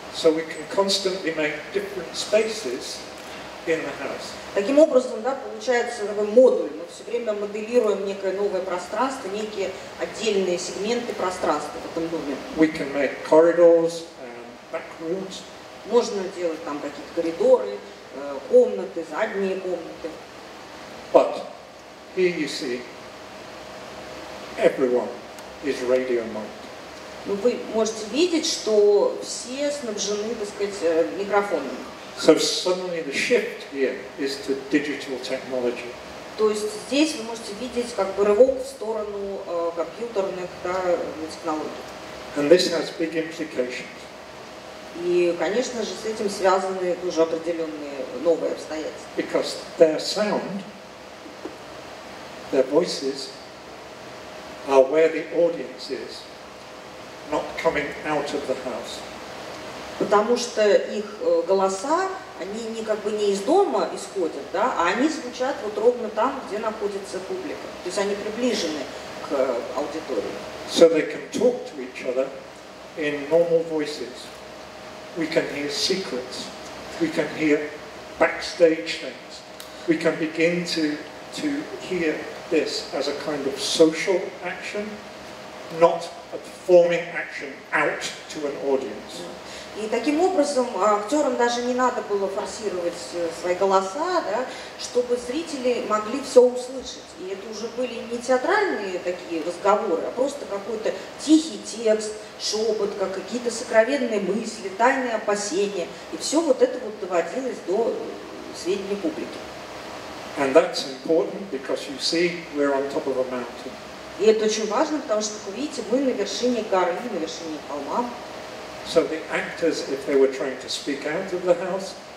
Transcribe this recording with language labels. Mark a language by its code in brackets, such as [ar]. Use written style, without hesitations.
[en] So we can constantly make different spaces in the house. [ru] Таким образом, да, получается такой модуль. Мы все время моделируем некое новое пространство, некие отдельные сегменты пространства в этом доме. [en] We can make corridors. Back rooms. [ru] Можно делать там какие-то коридоры, комнаты, задние комнаты. [en] But here you see everyone is radio mic'd. [ru] Ну, вы можете видеть, что все снабжены, так сказать, микрофонами. [en] So suddenly the shift here is to digital technology. [ru] То есть здесь вы можете видеть как бы рывок в сторону компьютерных, да, технологий. [en] And this has big implications. [ru] И, конечно же, с этим связаны тоже определенные новые обстоятельства. [en] Because their sound, their voices are where the audience is, not coming out of the house. [ru] Потому что их голоса, они не как бы не из дома исходят, да, а они звучат вот ровно там, где находится публика. То есть они приближены к аудитории. [en] So they can talk to each other in normal voices. We can hear secrets, we can hear backstage things, we can begin to hear this as a kind of social action, not a performing action out to an audience. [ru] И таким образом актерам даже не надо было форсировать свои голоса, да, чтобы зрители могли все услышать. И это уже были не театральные такие разговоры, а просто какой-то тихий текст, шепот, какие-то сокровенные мысли, тайные опасения. И все вот это вот доводилось до сведения публики. [en] And that's important because you see we're on top of a mountain. [ru] И это очень важно, потому что, как вы видите, мы на вершине горы, на вершине холма. [en] So the actors, if they were trying to speak out of the house,